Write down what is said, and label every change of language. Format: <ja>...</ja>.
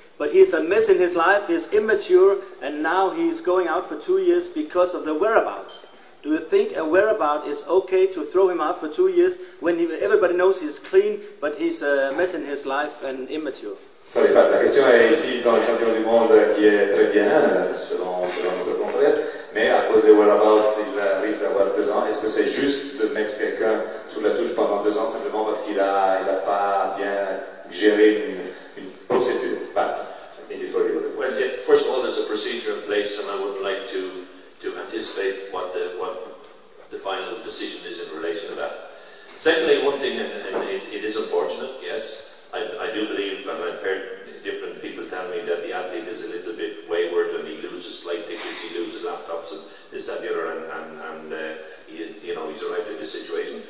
<en>But he's a mess in his life, he's immature, and now he's going out for 2 years because of the whereabouts. Do you think a whereabout is okay to throw him out for 2 years when everybody knows he's clean, but he's a mess in his life and immature? Sorry, Pat,</en> <fr>la question est ici, ils ont un champion du monde qui est très bien, selon notre confrère, mais à cause des whereabouts, il risque d'avoir 2 ans. Est-ce que c'est juste de mettre quelqu'un sous la touche pendant 2 ans simplement parce qu'il n'a pas bien géré une procédure?</fr> <en>Well, yeah, first of all, there's a procedure in place, and I would like to anticipate what the final decision is in relation to that. Secondly, one thing, and it is unfortunate, yes, I do believe, and I've heard different people tell me that the athlete is a little bit wayward and he loses flight tickets, he loses laptops and this, that, the other, and he's arrived at this situation.</en>